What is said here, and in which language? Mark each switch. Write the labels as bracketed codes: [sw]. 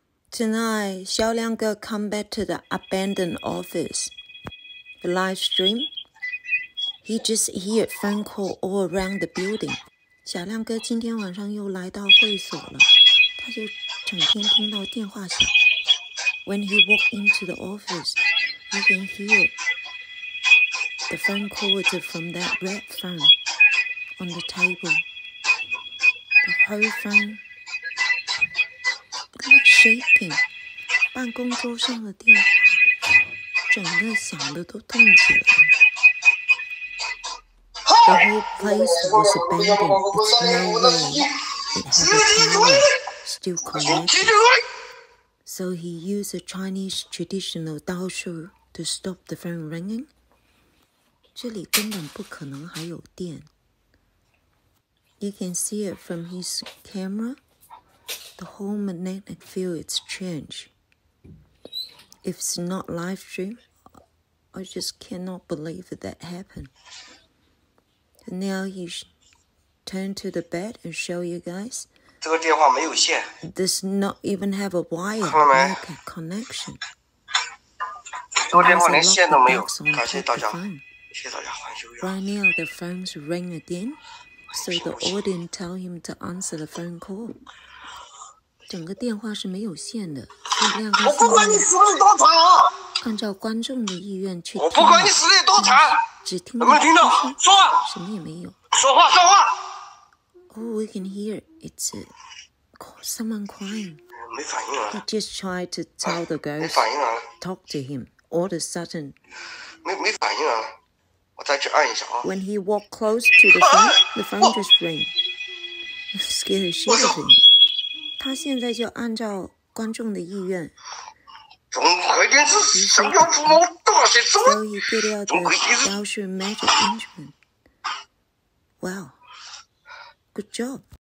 [en] Tonight, Xiao Liang girl come back to the abandoned office. The live stream. He just hear phone call all around the building. [zh] 小亮哥今天晚上又来到会所了，他就整天听到电话响。 [en] When he walk into the office, he can hear the phone call from that red phone on the table. The whole phone shaking. [zh] 办公桌上的电话整个响的都动起来。 [en] The whole place was abandoned. It's not there. It had a camera still connected. So he used a Chinese traditional 刀术 to stop the phone ringing. [zh] 这里根本不可能还有电。 [en] You can see it from his camera. The whole magnetic field is changed. If it's not live stream, I just cannot believe that happened. Now he turned to the bed and show you guys. [zh] 这个电话没有线。 [en] Does not even have a wire. [zh] 看到没？ [en] Okay, connection. [zh] 这个电话连线都没有。感谢大家，欢迎 [en] 收看。Right now the phones ring again, so the audience tell him to answer the phone call. [zh] 整个电话是没有线的。我不管你死的有多惨啊！按照观众的意愿去。我不管你死的有多惨。只听到有没有听到？说话，什么也没有。说话，说话。 [en] Oh, we can hear it's someone crying. [zh] 没反应了。 [en] He just tried to tell the girl. [zh] 没反应了。 [en] Talk to him. All of a sudden, [zh] 没反应了。我再去按一下啊。 [en] When he walked close to the phone, the phone just rang. Scared the shit out of him. [zh] 他现在就按照观众的意愿。中国电视降妖伏魔大仙，中国电视 [en] magic instrument. Wow, good job.